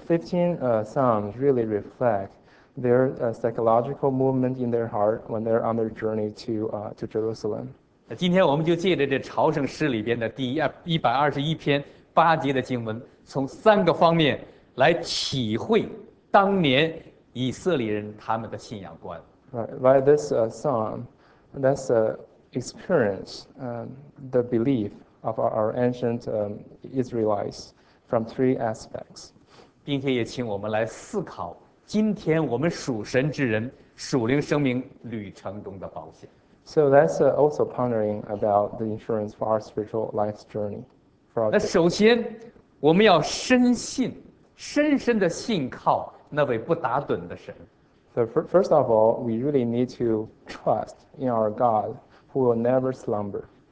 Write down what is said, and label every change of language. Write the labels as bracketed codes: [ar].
[en] 15 Psalms really reflect their psychological movement in their heart when they're on their journey to Jerusalem. [zh] 今天我们就借着这朝圣诗里边的第121篇8节的经文，从三个方面。来体会当年以色列人他们的信仰观。 [en] By this psalm, let's experience the belief of our ancient Israelites from three aspects. [zh] 并且也请我们来思考今天我们属神之人属灵生命旅程中的保险。 [en] So that's also pondering about the insurance for our spiritual life's journey. [zh] 那首先，我们要深信。深深地信靠那位不打盹的神。 [en] So first of all, we really need to trust in our God, who will never slumber.